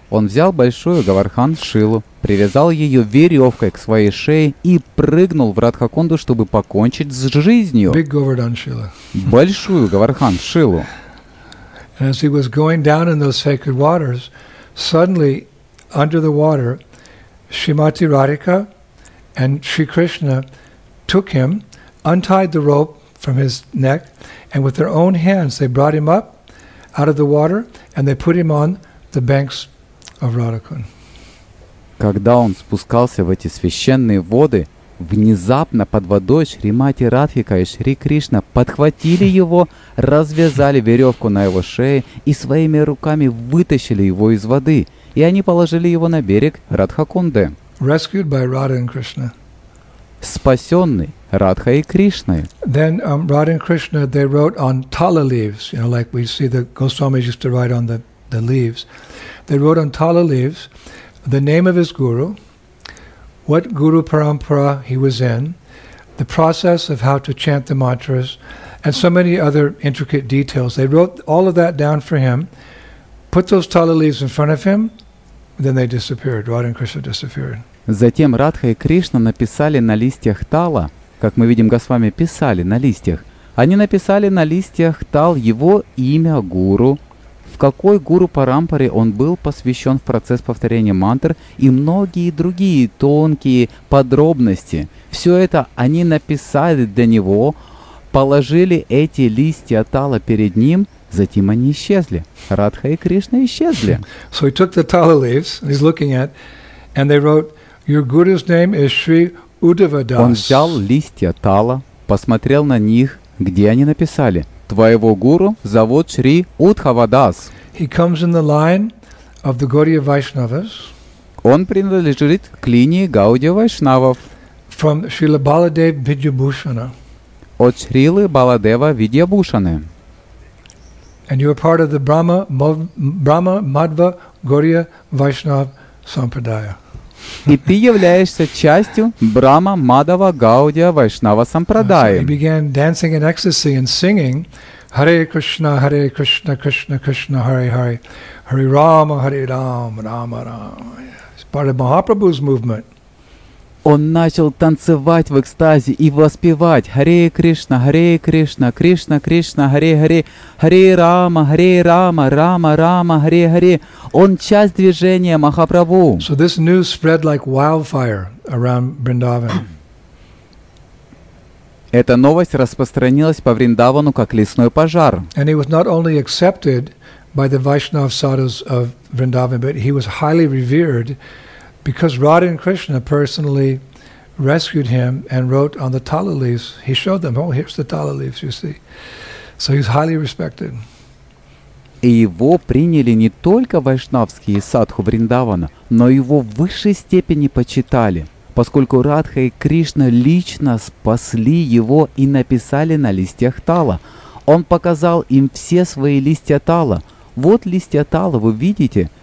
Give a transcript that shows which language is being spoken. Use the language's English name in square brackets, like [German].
[Russian] Он взял большую Говардхан Шилу, привязал ее веревкой к своей шее и прыгнул в Радхакунду, чтобы покончить с жизнью. [English] Big Govardhan Shila. [Russian] Большую Говардхан Шилу. [English] And as he was going down in those sacred waters, suddenly, under the water, Shrimati Radhika and Sri Krishna took him, untied the rope from his neck, and with their own hands they brought him up out of the water and they put him on the banks of Radhakund. [Russian] Когда он спускался в эти священные воды, Внезапно под водой Шри Мати Радхика и Шри Кришна подхватили его, развязали веревку на его шее и своими руками вытащили его из воды, и они положили его на берег Радхакунды. [English] Rescued by Radha and Krishna. [Russian] Спасенный Радха и Кришной. [English] Then Radha and Krishna they wrote on tala leaves, you know, like we see the Goswamis used to write on the leaves. They wrote on tala leaves the name of his guru, what guru parampara he was in, the process of how to chant the mantras, and so many other intricate details. They wrote all of that down for him, put those tala leaves in front of him, and then they disappeared. Radha and Krishna disappeared. [Russian] Затем Радха и Кришна написали на листьях тала, как мы видим, Госвами писали на листьях, они написали на листьях тал его имя гуру, в какой гуру парампаре он был посвящен в процесс повторения мантр и многие другие тонкие подробности. Все это они написали для него, положили эти листья тала перед ним, затем они исчезли. Радха и Кришна исчезли. [English] So he took the tala leaves, he's looking at, and they wrote, your guru's name is Sri Uddhava Das. [Russian] Он взял листья тала, посмотрел на них, где они написали. Твоего гуру зовут Шри Уддхава Дас. [English] He comes in the line of the Gaudiya Vaishnavas. [Russian] Он принадлежит к линии Гаудия Вайшнавов. [English] From Srila Baladeva Vidyabhushana. [Russian] От Шрилы Баладева Видьябушаны. [English] And you are part of the Brahma Madhva Gaudiya Vaishnav Sampradaya. [Russian] И ты являешься частью Брама Мадава Гаудия Вайшнава Сампрадаи. [English] He began dancing in ecstasy and singing Hare Krishna, Krishna Krishna, Hare Hare, Hare Rama, Hare Rama, Rama Rama. It's part of Mahaprabhu's movement. [Russian] Он начал танцевать в экстазе и воспевать Харе Кришна, Харе Кришна, Кришна Кришна, Харе Харе, Харе Рама, Харе Рама, Рама Рама, Харе Харе. Он часть движения Махапрабху. [English] So this news spread like wildfire around Vrindavan. [Russian] Эта новость распространилась по Вриндавану как лесной пожар. [English] And he was not only accepted by the Vaishnava sadhus of Vrindavan, but he was highly revered. Because Radha and Krishna personally rescued him and wrote on the tala leaves, he showed them, oh, here's the tala leaves, you see. So he's highly respected. [Russian] И его приняли не только вайшнавские садху Вриндавана, но его в высшей степени почитали, поскольку Радха и Кришна лично спасли его и написали на листьях тала. Он показал им все свои листья тала. Вот листья тала, вы видите?